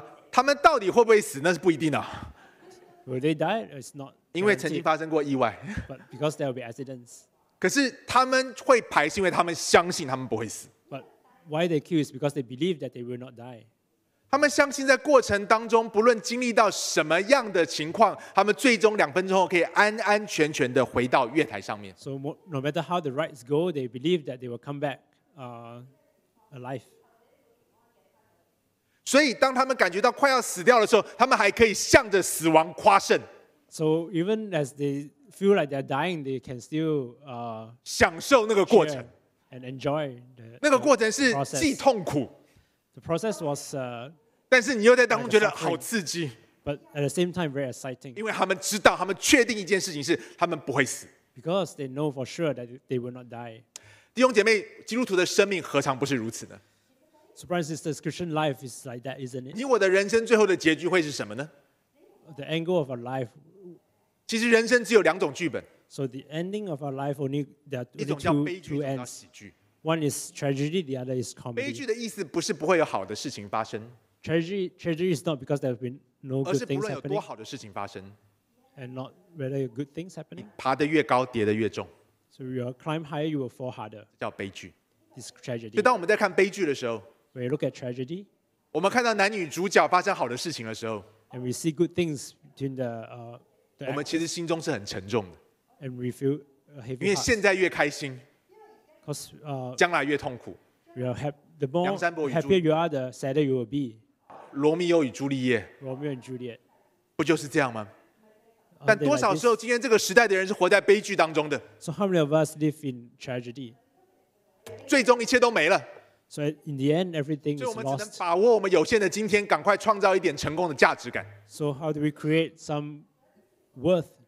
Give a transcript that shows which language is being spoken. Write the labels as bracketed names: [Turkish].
[Chinese] 他们到底会不会死那是不一定的。 [English] Will they die? It's not. [Chinese] 因为曾经发生过意外。 [English] But because there will be accidents. [Chinese] 可是他们会排是因为他们相信他们不会死。 [English] But why they queue is because they believe that they will not die. [Chinese] 他们相信在过程当中不论经历到什么样的情况，他们最终两分钟后可以安安全全的回到月台上面。 [English] So no matter how the rides go, they believe that they will come back alive. [Chinese] 所以当他们感觉到快要死掉的时候，他们还可以向着死亡夸胜。 [English] So even as they feel like they're dying, they can still [Chinese] 享受那个过程 [English] and enjoy the [Chinese] 那个过程是既痛苦 [English] the process was [Chinese] 但是你又在当中觉得好刺激 [English] but at the same time very exciting. [Chinese] 因为他们知道，他们确定一件事情是他们不会死 [English] because they know for sure that they will not die. [Chinese] 弟兄姐妹，基督徒的生命何尝不是如此呢？ [English] Surprise is the Christian life is like that, isn't it? [Chinese] 你我的人生最后的结局会是什么呢 [English] ？The angle of our life. [Chinese] 其实人生只有两种剧本。 [English] So the ending of our life only there are only two ends. [Chinese] 一种叫悲剧， [English] one is tragedy, the other is comedy. [Chinese] 悲剧的意思不是不会有好的事情发生。 [English] Tragedy is not because there have been no good things happening. [Chinese] 而是不论有多好的事情发生。 [English] And not whether good things happening. [Chinese] 爬得越高，跌得越重。 [English] So you climb higher, you will fall harder. [Chinese] 叫悲剧。 [English] This tragedy. [Chinese] 就当我们在看悲剧的时候。 [English] When you look at tragedy, [Chinese] 我们看到男女主角发生好的事情的时候 [English] and we see good things between the [Chinese] 我们其实心中是很沉重的 [English] and we feel a heavy [Chinese] 因为现在越开心 [English] cause [Chinese] 将来越痛苦 [English] the more happier you are, the sadder you will be. [Chinese] 罗密欧与朱丽叶 [English] Romeo and Juliet [Chinese] 不就是这样吗？但多少时候今天这个时代的人是活在悲剧当中的 [English] So how many of us live in tragedy? [Chinese] 最终一切都没了。 [English] So in the end, everything is lost. [Chinese] 所以我们只能把握我们有限的今天，赶快创造一点成功的价值感。 [English] So how do we create some worth?